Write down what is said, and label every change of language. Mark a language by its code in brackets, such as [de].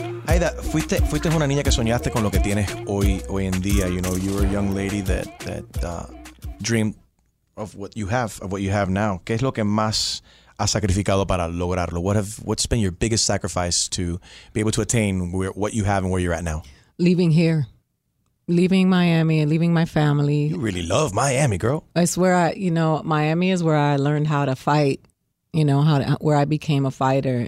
[es] Aida, fuiste una niña que soñaste con lo que tienes hoy en día. [en] You know, you were a young lady that dreamed of what you have now. [es] ¿Qué es lo que más has sacrificado para lograrlo? [en] What's been your biggest sacrifice to be able to attain what you have and where you're at now? Leaving here. Leaving Miami and leaving my family. You really love Miami, girl. It's where I, you know, Miami is where I learned how to fight, you know, where I became a fighter.